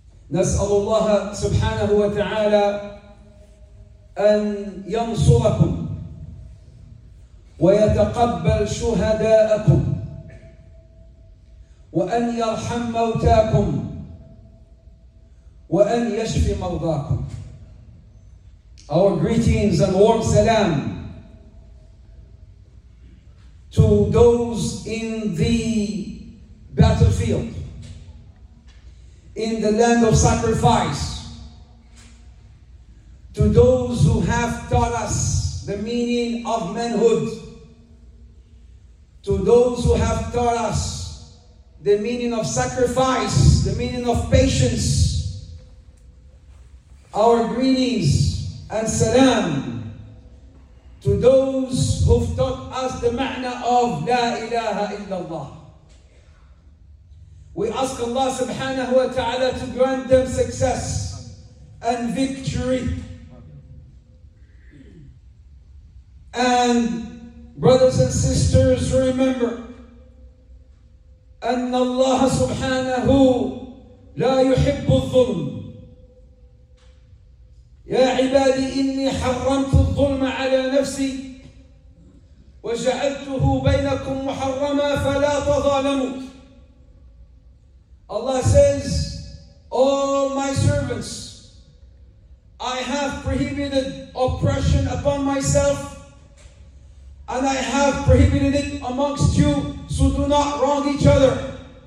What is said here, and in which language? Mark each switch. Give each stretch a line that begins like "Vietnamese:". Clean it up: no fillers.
Arabic: نسأل الله سبحانه وتعالى أن ينصركم ويتقبل شهداءكم وأن يرحم موتاكم وأن يشفي مرضاكم.
English: Our greetings and warm salam to those in the battlefield, in the land of sacrifice, to those who have taught us the meaning of manhood, to those who have taught us the meaning of sacrifice, the meaning of patience. Our greetings and salam to those who've taught us the ma'na of La ilaha illallah. We ask Allah subhanahu wa ta'ala to grant them success and victory. And brothers and sisters, remember,
Arabic: أن الله سبحانه لا يحب الظلم. يا عبادي إني حرمت الظلم على نفسي وجعلته بينكم محرما فلا تظالموا.
English: Allah says, all my servants, I have prohibited oppression upon myself and I have prohibited it amongst you, so do not wrong each other.